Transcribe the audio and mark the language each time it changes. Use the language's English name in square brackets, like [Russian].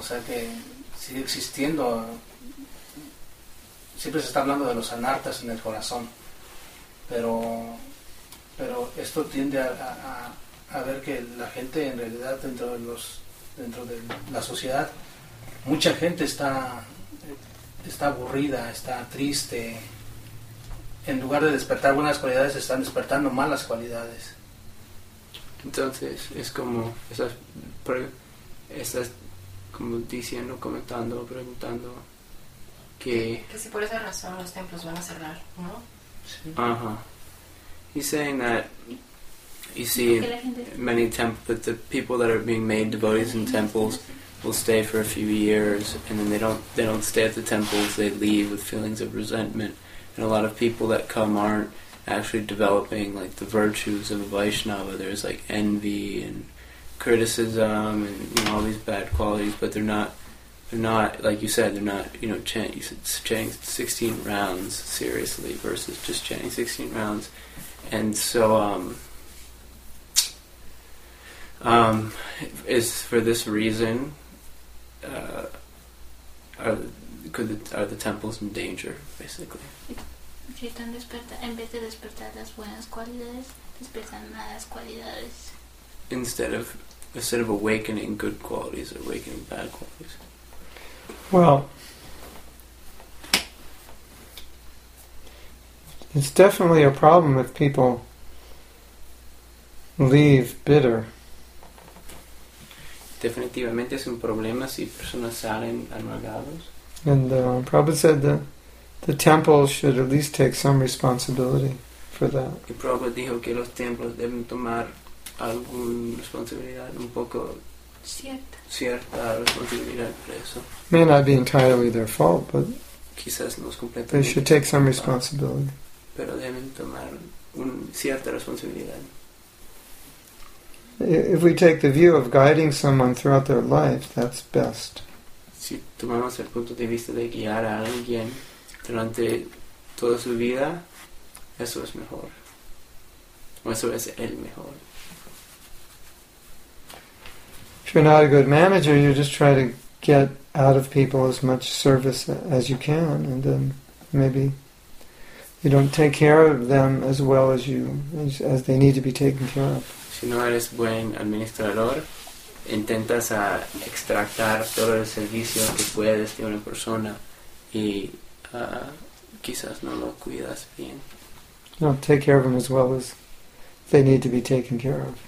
[Spanish] O sea que sigue existiendo, siempre se está hablando de los anartas en el corazón, pero esto tiende a ver que la gente en realidad dentro de la sociedad, mucha gente está aburrida, está triste, en lugar de despertar buenas cualidades están despertando malas cualidades. Entonces es como esas como diciendo, comentando, preguntando que si por esa razón los templos van a cerrar, ¿no? Sí. Ajá. [English] He's saying that you see many temples, that the people that are being made devotees in temples will stay for a few years, and then they don't stay at the temples. They leave with feelings of resentment, and a lot of people that come aren't actually developing like the virtues of a Vaishnava. There's like envy and criticism and, you know, all these bad qualities, but they're not like you said, they're not, you know, chanting 16 rounds seriously versus just chanting 16 rounds. And so is for this reason are the temples in danger, basically? [Spanish] Si están despertando, en vez de despertar las buenas cualidades, despertan malas cualidades. [English] Instead of awakening good qualities, awakening bad qualities. Well, it's definitely a problem if people leave bitter. [Spanish] Definitivamente es un problema si personas salen amargados. [English] And Prabhupada said that the temples should at least take some responsibility for that. [Spanish] Y Prabhupada dijo que los templos deben tomar alguna responsabilidad, un poco cierta responsabilidad por eso. [English] May not be entirely their fault, but [Spanish] quizás no es completamente. [English] They should take some responsibility. [Spanish] Pero deben tomar una cierta responsabilidad. [English] If we take the view of guiding someone throughout their life, that's best. [Spanish] Si tomamos el punto de vista de guiar a alguien durante toda su vida, eso es mejor. Eso es el mejor. [English] If you're not a good manager, you just try to get out of people as much service as you can, and then maybe you don't take care of them as well as they need to be taken care of. [Spanish] Si no eres buen administrador, intentas extractar todo el servicio que puedes de una persona y quizás no lo cuidas bien. [English] No, take care of them as well as they need to be taken care of.